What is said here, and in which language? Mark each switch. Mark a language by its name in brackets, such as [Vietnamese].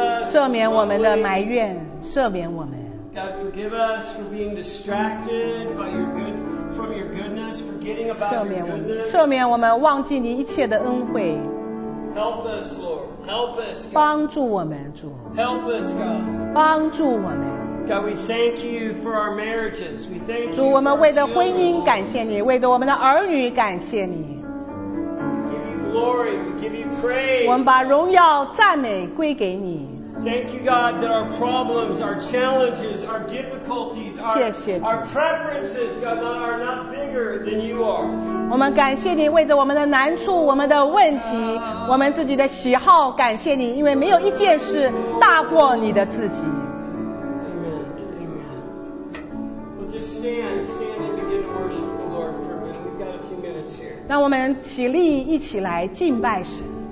[Chinese] 赦免我们的埋怨，赦免我们。 [English] God, forgive us for being distracted by your good, from your goodness, forgetting about your goodness. [Chinese] 赦免我们忘记你一切的恩惠。 [English] Help us, Lord. Help us. [Chinese] 帮助我们，主。 [English] Help us, God. [Chinese] 帮助我们。 [English] God, we thank you for our marriages. We thank you. [Chinese] 主，我们为着婚姻感谢你，为着我们的儿女感谢你。 [English] Glory, we give you praise. [Chinese] 我们把荣耀赞美归给你。 [English] Thank you, God, that our problems, our challenges, our difficulties, our preferences, God, are not bigger than you are. [Chinese] 我们感谢你为着我们的难处、我们的问题、我们自己的喜好，感谢你，因为没有一件事大过你的自己。 [English] Amen. Amen. We'll just stand and begin to worship the Lord for a minute. We've got a few minutes here. [Chinese] 让我们起立，一起来敬拜神。